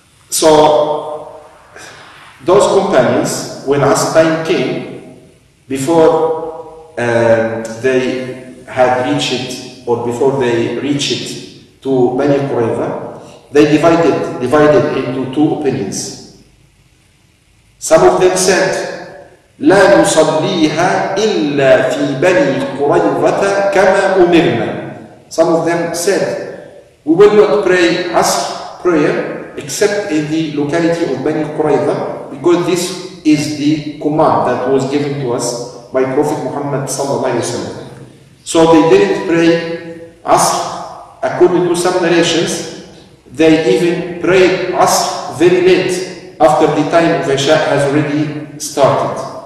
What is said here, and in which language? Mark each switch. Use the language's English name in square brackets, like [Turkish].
[English] So those companions, when Asr time came, before they had reached, or before they reached to Bani Qurayza, they divided into two opinions. Some of them said, [Arabic] لا نصليها إلا في بني قريظة كما أمرنا. [English] Some of them said, we will not pray Asr prayer except in the locality of Bani Qurayza, because this is the command that was given to us by Prophet Muhammad sallallahu alaihi wasallam. So they didn't pray Asr. According to some narrations, they even prayed Asr very late, after the time of Isha has already started.